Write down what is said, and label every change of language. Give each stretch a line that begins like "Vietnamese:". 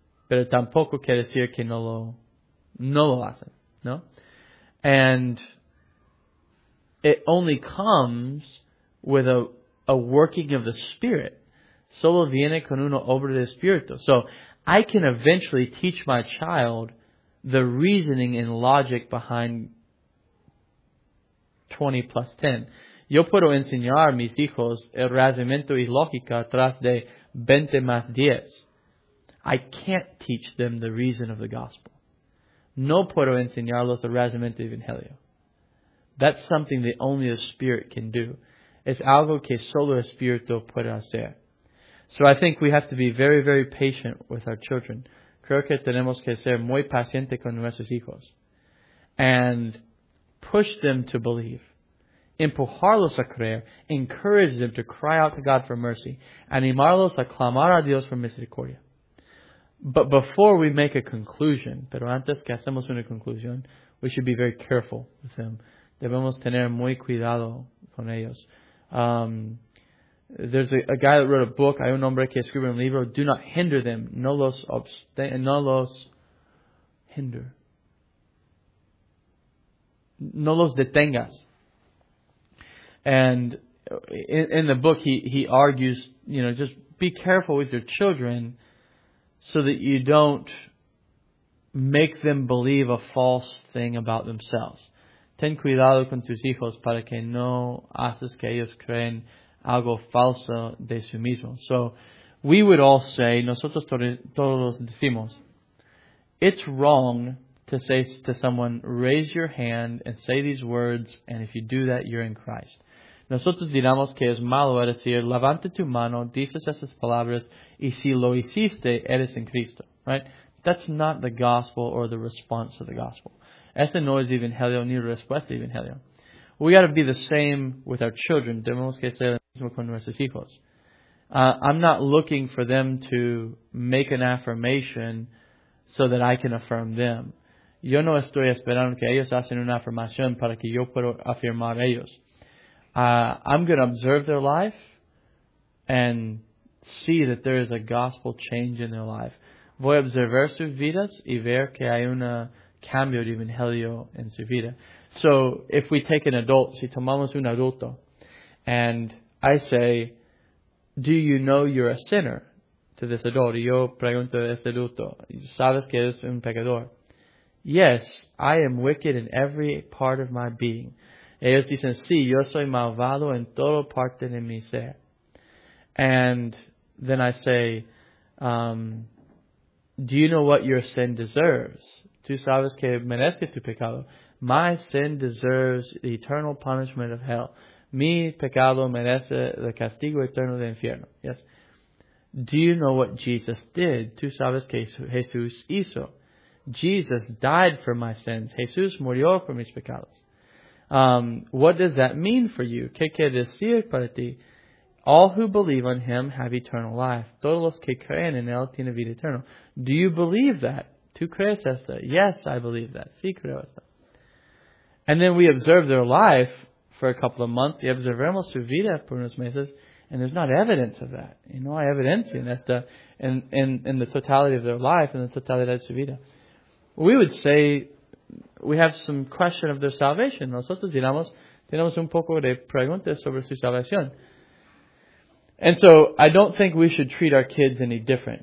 Spanish: Pero tampoco quiere decir que no lo hacen, ¿no?
English: And it only comes with a working of the Spirit.
Spanish: Solo viene con una obra de Espíritu.
English: So I can eventually teach my child the reasoning and logic behind 20 plus 10.
Spanish: Yo puedo enseñar a mis hijos el razonamiento y lógica tras de 20 más 10.
English: I can't teach them the reason of the gospel.
Spanish: No puedo enseñarlos el razonamiento evangelio.
English: That's something that only the Spirit can do.
Spanish: Es algo que solo el Espíritu puede hacer.
English: So I think we have to be very, very patient with our children.
Spanish: Creo que tenemos que ser muy pacientes con nuestros hijos.
English: And push them to believe.
Spanish: Empujarlos a creer,
English: encourage them to cry out to God for mercy,
Spanish: animarlos a clamar a Dios por misericordia.
English: But before we make a conclusion,
Spanish: pero antes que hacemos una conclusión,
English: we should be very careful with them.
Spanish: Debemos tener muy cuidado con ellos.
English: There's a guy that wrote a book,
Spanish: Hay un hombre que escribe un libro,
English: Do Not Hinder Them,
Spanish: No los detengas.
English: And in the book, he argues, you know, just be careful with your children so that you don't make them believe a false thing about themselves.
Spanish: Ten cuidado con tus hijos para que no haces que ellos creen algo falso de sí mismo.
English: So we would all say,
Spanish: nosotros todos decimos,
English: it's wrong to say to someone, raise your hand and say these words, and if you do that, you're in Christ.
Spanish: Nosotros diríamos que es malo decir, levante tu mano, dices esas palabras, y si lo hiciste, eres en Cristo.
English: Right? That's not the gospel or the response to the gospel.
Spanish: Ese no es evangelio ni respuesta evangelio.
English: We got to be the same with our children.
Spanish: Debemos que ser lo mismo con nuestros hijos.
English: I'm not looking for them to make an affirmation so that I can affirm them.
Spanish: Yo no estoy esperando que ellos hacen una afirmación para que yo pueda afirmar ellos.
English: I'm going to observe their life and see that there is a gospel change in their life.
Spanish: Voy a observar sus vidas y ver que hay una cambio de evangelio en su vida.
English: So if we take an adult,
Spanish: si tomamos un adulto,
English: and I say, do you know you're a sinner? To this adult,
Spanish: yo pregunto a este adulto, ¿sabes que eres un pecador?
English: Yes, I am wicked in every part of my being.
Spanish: Ellos dicen, sí, yo soy malvado en todo parte de mi ser.
English: And then I say, do you know what your sin deserves? Tú sabes que merece tu pecado. My sin deserves the eternal punishment of hell.
Spanish: Mi pecado merece el castigo eterno del infierno. Yes.
English: Do you know what Jesus did?
Spanish: Tú sabes que Jesús hizo.
English: Jesus died for my sins.
Spanish: Jesús murió por mis pecados.
English: What does that mean for you?
Spanish: ¿Qué quiere decir para ti?
English: All who believe on him have eternal life.
Spanish: Todos los que creen en él tienen vida eterna.
English: Do you believe that?
Spanish: ¿Tú crees esto?
English: Yes, I believe that.
Spanish: Sí, creo esto.
English: And then we observe their life for a couple of months.
Spanish: Y observamos su vida por unos meses.
English: And there's not evidence of that.
Spanish: Y no hay evidencia en esta,
English: in the totality of their life, in the totality of
Spanish: su vida.
English: We would say, we have some question of their salvation.
Spanish: Nosotros diríamos, tenemos un poco de preguntas sobre su salvación.
English: And so, I don't think we should treat our kids any different.